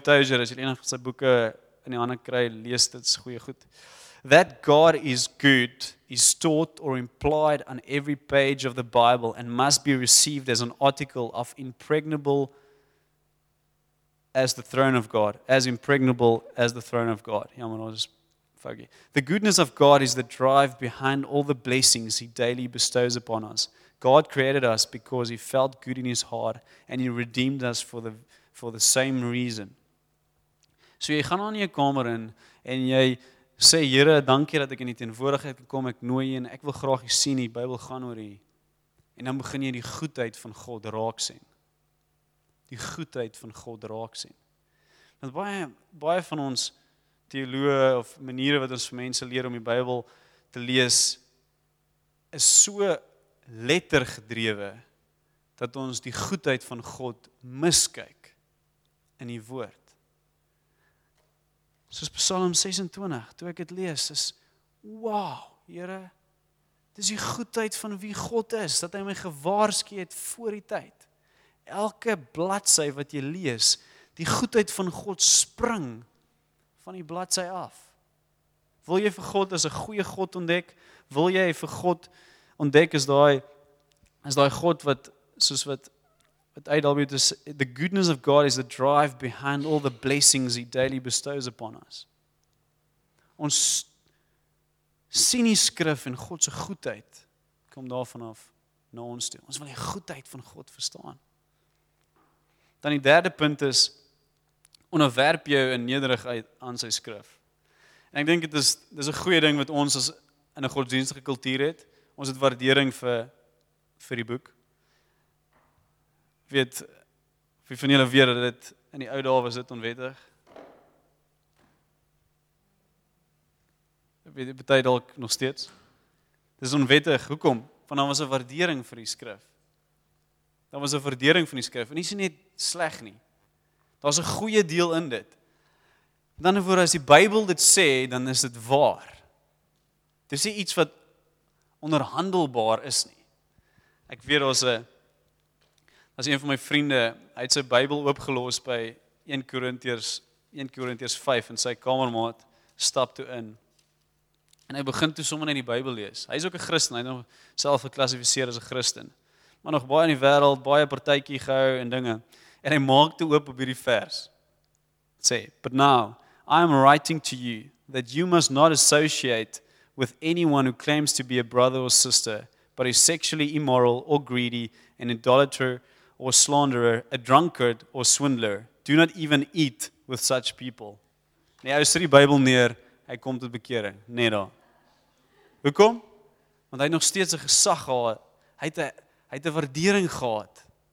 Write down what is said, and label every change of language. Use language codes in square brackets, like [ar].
[af] Tozer is een van sy boeke in die hande kry, lees dit, is goeie goed. [en] That God is good is taught or implied on every page of the Bible and must be received as an article of impregnable as the throne of God. As impregnable as the throne of God. [af] Ja, maar dit is foggy. [en] The goodness of God is the drive behind all the blessings he daily bestows upon us. God created us because he felt good in his heart and he redeemed us for the same reason. [af] So jy gaan aan jou kamer in en jy sê, Here, dankie dat ek in die teenwoordigheid kan kom, ek nooi en ek wil graag u sien, die Bybel gaan oor u. En dan begin jy die goedheid van God raak sien. Die goedheid van God raak sien. Want baie van ons teoloë of maniere wat ons vir mense leer om die Bybel te lees, is so lettergedrewe, dat ons die goedheid van God miskyk in die woord. Soos Psalm 26, toe ek het lees, is, wow, Here, dit is die goedheid van wie God is, dat hy my gewaarsku het voor die tyd. Elke bladsy wat jy lees, die goedheid van God spring van die bladsy af. Wil jy vir God as 'n goeie God ontdek? Wil jy vir God ontdek is daai God wat, soos wat A.W. [en] the goodness of God is the drive behind all the blessings he daily bestows upon us. [af] Ons sien die skrif en God se goedheid kom daarvan af na ons toe. Ons wil die goedheid van God verstaan. Dan die derde punt is, onderwerp jou in nederigheid aan sy skrif. En ek dink dit is 'n goeie ding wat ons as in 'n godsdienstige kultuur het. Ons het waardering vir die boek. Weet, wie van julle weet dat dit in die ou dae was dit onwettig? Weet die party dalk nog steeds? Dit is onwettig, hoekom? Want daar was 'n waardering vir die skrif. Daar was 'n waardering van die skrif, en dit is net sleg nie. Daar is 'n goeie deel in dit. Dan voor as die Bybel dit sê, dan is dit waar. Dit is nie iets wat onderhandelbaar is nie. Ek weet, as een van my vriende, hy het sy Bybel oopgelos by 1 Korintiërs 5, en sy kamermaat stap toe in. En hy begin toe sommer net die Bybel lees. Hy is ook 'n Christen, hy het nog self geklassificeer as 'n Christen. Maar nog baie in die wêreld, baie partytjie gehou en dinge. En hy maak toe oop op hierdie vers. Het sê, [en] but now, I am writing to you, that you must not associate with anyone who claims to be a brother or sister, but is sexually immoral or greedy, an idolater or slanderer, a drunkard or swindler. Do not even eat with such people. [af] Nee, hy sit die Bybel neer, hy kom tot bekering, net daar. Hoekom? Want hy het nog steeds 'n gesag gehad, hy het 'n waardering gehad.